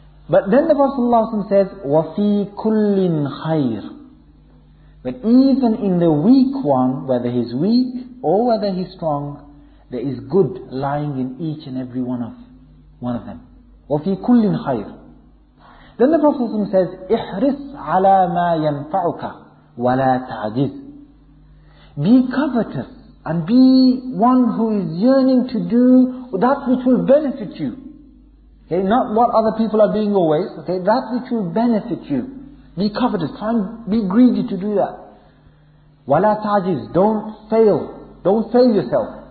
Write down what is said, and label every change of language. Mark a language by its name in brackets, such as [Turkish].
[English] But then the Prophet ﷺ says, [Arabic] وَفِي كُلِّنْ خَيْرٍ. [English] But even in the weak one, whether he's weak or whether he's strong, there is good lying in each and every one of them. [Arabic] وَفِي كُلِّنْ خَيْرٍ. [English] Then the Prophet ﷺ says, [Arabic] إِحْرِصْ عَلَى مَا يَنْفَعُكَ وَلَا تَعْجِزْ. [English] Be covetous and be one who is yearning to do that which will benefit you. Okay, not what other people are doing always. Okay, that which will benefit you. Be covetous, try and be greedy to do that. [Arabic] وَلَا تَعْجِزْ. [English] Don't fail. Don't fail yourself.